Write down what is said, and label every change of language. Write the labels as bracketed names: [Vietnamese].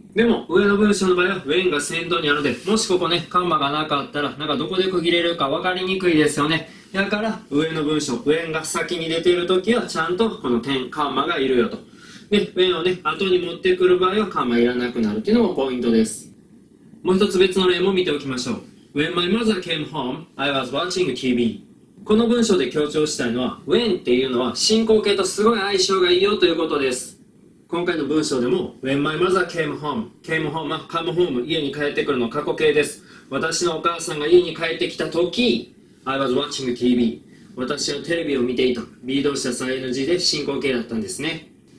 [Japanese] でも上の文章の場合は when が先頭にあるので、もしここねカンマがなかったらなんかどこで区切れるか分かりにくいですよね。だから上の文章 when が先に出ている時はちゃんとこの点カンマがいるよと。で、when をね後に持ってくる場合はカンマいらなくなるっていうのもポイントです。もう一つ別の例も見ておきましょう。 [English] when my mother came home, I was watching TV。 [Japanese] この文章で強調したいのは when っていうのは進行形とすごい相性がいいよということです。今回の文章でも [English] When my mother came home、 came home [Japanese] は [English] come home、 [Japanese] 家に帰ってくるの過去形です。私のお母さんが家に帰ってきた時、 [English] I was watching TV、 [Japanese] 私はテレビを見ていた、 B 動詞は ING で進行形だったんですね。